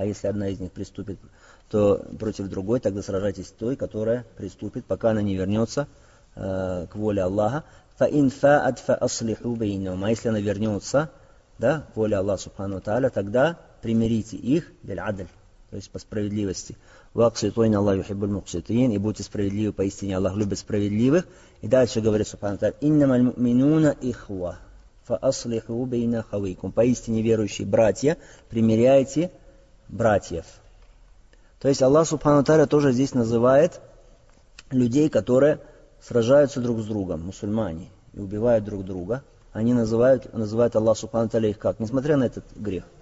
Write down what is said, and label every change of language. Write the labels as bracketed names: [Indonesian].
[Russian] А если одна из них приступит то против другой, тогда сражайтесь с той, которая приступит, пока она не вернется к воле Аллаха. [Arabic] فَإِنْ فَاءَتْ فَأَصْلِحُوا بَيْنَهُمَا. [Russian] А если она вернется, да, к воле Аллаха Субхану ва Тааля, тогда примирите их биль-адль. То есть по справедливости. [Arabic] وَاقْسِطُوا اللَّهُ يُحِبُّ الْمُقْسِطِينَ. [Russian] И будьте справедливы, поистине Аллах любит справедливых. И дальше говорит [Arabic] Субхану Тааля, إِنَّمَا الْمُؤْمِنُونَ إِخْوَ فَأَصْلِحُوا بَيْنَ خَوَيْكُمْ. [Russian] Поистине верующие братья, примиряйте братьев. То есть Аллах Субхану Тааля тоже здесь называет людей, которые сражаются друг с другом, мусульмане, и убивают друг друга. Они называют Аллах Субхану Тааля их как? Несмотря на этот грех.